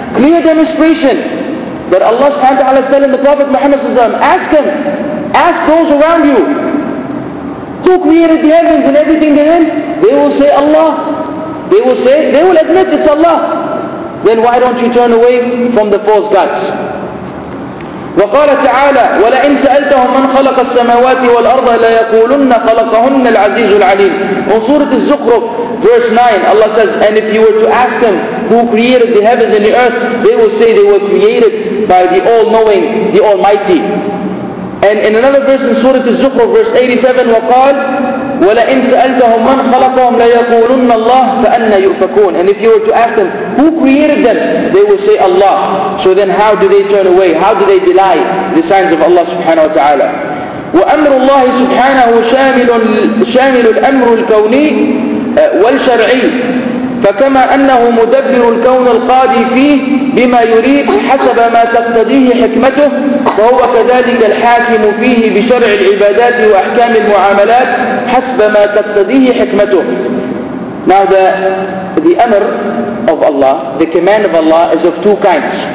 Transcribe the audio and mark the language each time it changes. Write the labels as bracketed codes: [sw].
[en] Clear demonstration that Allah subhanahu wa ta'ala is telling the Prophet Muhammad sallallahu alayhi wa sallam, ask him, ask those around you, who created the heavens and everything therein? They will say Allah. They will admit it's Allah. Then why don't you turn away from the false gods? [ar] وقال تعالى ولئن سألتهم من خلق السماوات والأرض ليقولن خلقهن العزيز العليم. [en] In Surah Al-Zukhruf, verse 9, Allah says, and if you were to ask them who created the heavens and the earth, they will say they were created by the All-Knowing, the Almighty. And in another verse in Surah Al-Zukhruf, verse 87, [ar] وقال ولئن سألتهم من خلقهم ليقولن الله فأنى يؤفكون. [en] And if you were to ask them who created them, they will say Allah. So then how do they turn away? How do they deny the signs of Allah subhanahu wa ta'ala? [ar] وأمر الله سبحانه شامل الأمر الكوني والشرعي فكما أنه مدبر الكون القاضي فيه بما يريد حسب ما تقتضيه حكمته فهو كذلك الحاكم فيه بشرع العبادات وأحكام المعاملات حسب ما تقتضيه حكمته. [en] Now the amr of Allah, the command of Allah is of two kinds.